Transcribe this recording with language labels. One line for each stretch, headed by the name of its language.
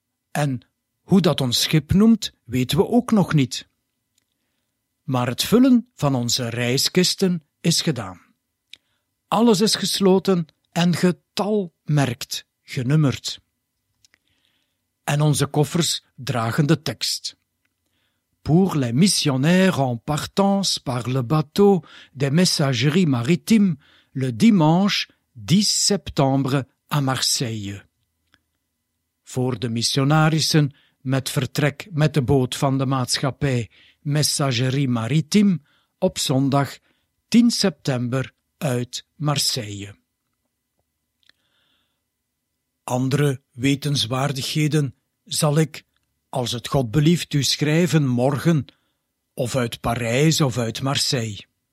Dutch: En hoe dat ons schip noemt, weten we ook nog niet. Maar het vullen van onze reiskisten is gedaan. Alles is gesloten en getalmerkt, genummerd. En onze koffers dragen de tekst.
French: Pour les missionnaires en partance par le bateau des messageries maritimes le dimanche 10 septembre à Marseille.
Dutch: Voor de missionarissen met vertrek met de boot van de maatschappij Messagerie Maritime op zondag 10 september uit Marseille. Andere wetenswaardigheden zal ik, als het God belieft, u schrijven morgen, of uit Parijs of uit Marseille.